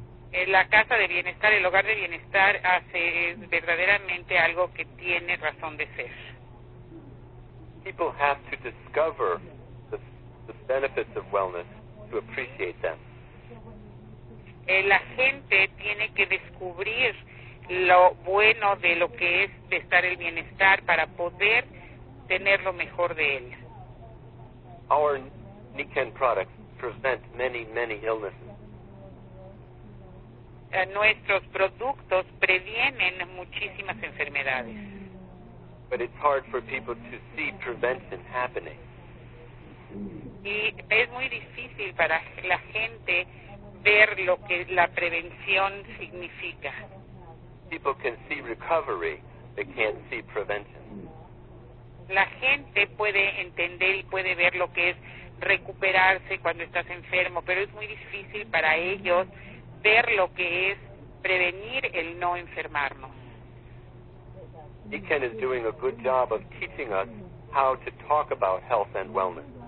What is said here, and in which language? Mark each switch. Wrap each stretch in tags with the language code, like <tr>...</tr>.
<es>En la casa de bienestar, el hogar de bienestar, hace verdaderamente algo que tiene razón de ser.</es> <en>People have to discover the benefits of wellness to appreciate them.</en> <es>La gente tiene que descubrir lo bueno de lo que es de estar el bienestar para poder tener lo mejor de él.</es> <en>Our Niken products prevent many, many illnesses.</en> <es>Nuestros productos previenen muchísimas enfermedades.</es> <en>But it's hard for people to see prevention happening.</en> <es>Y es muy difícil para la gente ver lo que la prevención significa.</es> <en>People can see recovery, they can't see prevention.</en> <es>La gente puede entender y puede ver lo que es recuperarse cuando estás enfermo, pero es muy difícil para ellos ver lo que es prevenir el no enfermarnos.</es> <en>Niken is doing a good job of teaching us how to talk about health and wellness.</en>